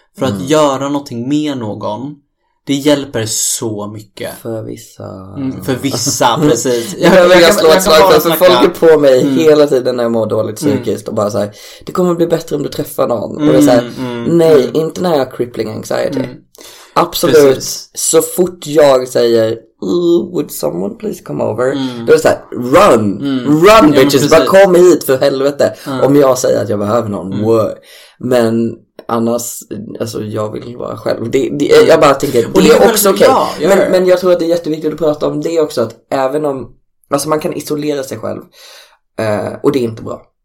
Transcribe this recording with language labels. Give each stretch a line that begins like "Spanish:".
Swedish: För att göra någonting med någon, det hjälper så mycket. För vissa. För vissa, precis. Jag slå ett slag, för folk är på mig hela tiden när jag mår dåligt psykiskt. Och bara såhär, det kommer bli bättre om du träffar någon. Och det är så här, nej, inte när jag har
English: crippling anxiety.
Swedish: Absolut. Precis. Så fort jag säger,
English: would someone please come over?
Swedish: Då är det såhär, run!
English: Run, bitches!
Swedish: Ja, bara kom hit för helvete. Om jag säger att jag behöver någon. Men... annars, alltså jag vill vara själv. Jag bara tänker, det är också okej. Men jag tror att det är jätteviktigt att prata om det också. Att även om, alltså man kan isolera sig själv. Och det är inte bra.